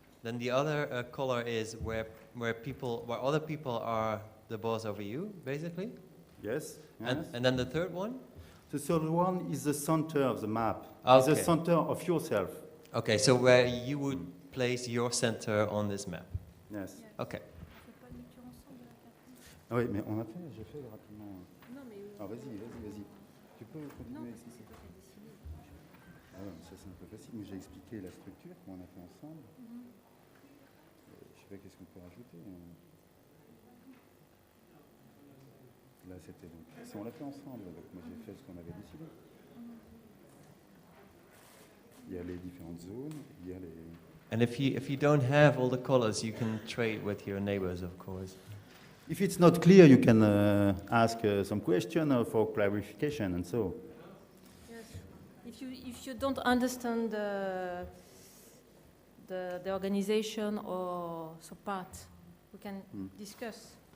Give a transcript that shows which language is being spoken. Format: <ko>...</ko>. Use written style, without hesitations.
<en>Then the other color is where other people are the boss over you, basically. Yes. And then the third one. The third one is the center of the map. Okay. It's the center of yourself. Okay, so where you would place your center on this map. Yes. Okay.</en> <fr>Ah oui, mais on a fait, j'ai fait rapidement. Ah vas-y. Tu peux continuer à expliquer. Ah ouais, ça c'est un peu facile, mais j'ai expliqué la structure qu'on a fait ensemble. Mm-hmm. Je sais pas qu'est-ce qu'on peut rajouter. Là c'était donc. Si on l'a fait ensemble, donc moi j'ai fait ce qu'on avait décidé. Il y a les différentes zones, il y a les.</fr> <en>And if you don't have all the colors, you can trade with your neighbors, of course. If it's not clear, you can ask some question for clarification and so. Yes. If you don't understand the organization or some part, we can discuss.</en>